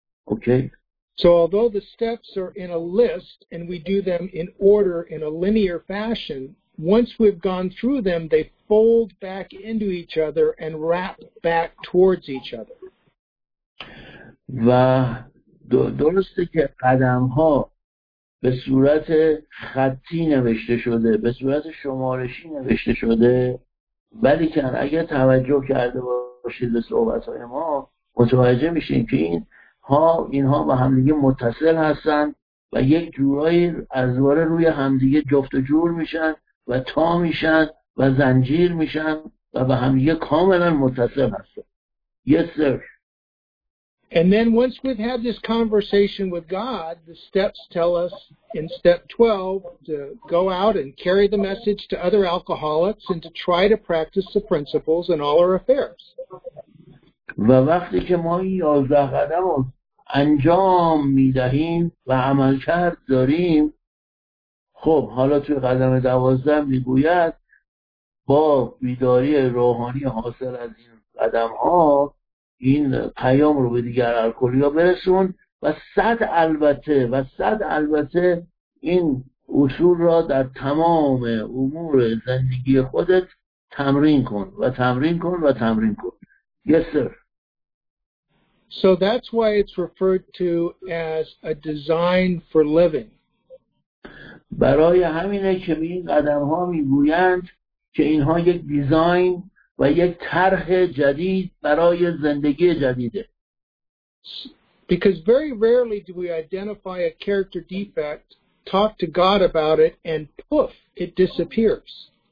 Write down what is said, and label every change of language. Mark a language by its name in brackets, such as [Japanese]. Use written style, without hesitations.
[English] Okay? So although the steps are in a list and we do them in order in a linear fashion, once we've gone through them, they fold back into each other and wrap back towards each other. [Persian] و درسته که قدم ها به صورت خطی نوشته شده، به صورت شمارشی نوشته شده، ولی که اگر توجه کرده باشید به صحبت‌های ما متوجه میشین که اینها با همدیگه متصل هستن و یک جورایی از دوباره روی همدیگه جفت و جور میشن و تا میشن و زنجیر میشن و به همدیگه کاملا متصل هستن. [English] Yes, sir. And then once we've had this conversation with God, the steps tell us in step 12 to go out and carry the message to other alcoholics and to try to practice the principles in all our affairs. [Persian] و وقتی که ما این 11 قدم رو انجام میدهیم و عملکرد داریم، خب حالا توی قدم 12 میگوید با بیداری روحانی حاصل از این قدم ها این پیام رو به دیگر الکلی ها برسون و صد البته این اصول را در تمام امور زندگی خودت تمرین کن. [English] Yes, sir. So that's why it's referred to as a design for living. [Persian] برای همینه که به این قدم ها میگویند که اینها یک دیزاین و یک طرح جدید برای زندگی جدیده. [English] Because very rarely do we identify a character defect, talk to God about it, and poof, it disappears.